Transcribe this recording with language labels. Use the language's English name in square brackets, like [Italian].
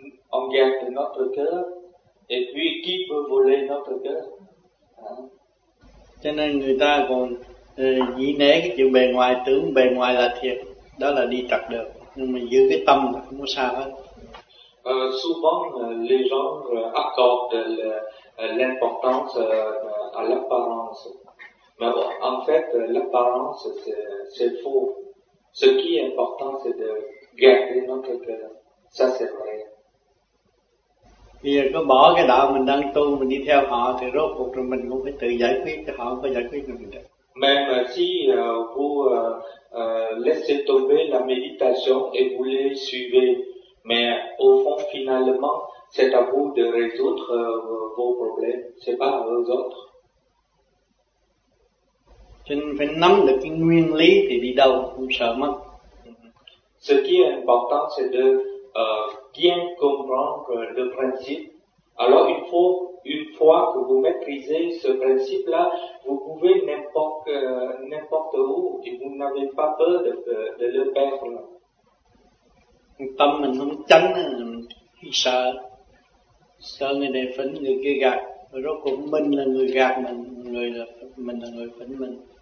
[French] On garde notre cœur, et puis qui peut voler notre cœur? [Vietnamese] Cho nên người ta còn dĩ né cái chuyện bề ngoài, tưởng bề ngoài là thiệt, đó là đi tật được, nhưng mà giữ cái tâm là không có sao hết. [French] Souvent, les gens accordent l'importance à l'apparence. Mais bon, en fait, l'apparence, c'est faux. Ce qui est important, c'est de garder notre cœur. Ça, c'est vrai. [Vietnamese] Bây giờ cứ bỏ cái đạo mình đang tu, mình đi theo họ thì rốt cuộc rồi mình cũng phải tự giải quyết cho họ, có giải quyết được mình được. [French] Même si vous laissez tomber la méditation et vous les suivez, mais au fond finalement c'est à vous de résoudre vos problèmes, c'est pas à eux autres. [Vietnamese] Cho nên phải nắm được cái nguyên lý thì đi đâu cũng sợ mất. [French] Ce qui est important c'est de bien comprendre le principe. Alors il faut, une fois que vous maîtrisez ce principe-là, vous pouvez n'importe où et vous n'avez pas peur de le perdre. [Vietnamese] Tâm mình không chánh, mình sợ người này phỉnh, người kia gạt, Rốt cuộc mình là người gạt mình, người là mình là người phỉnh mình.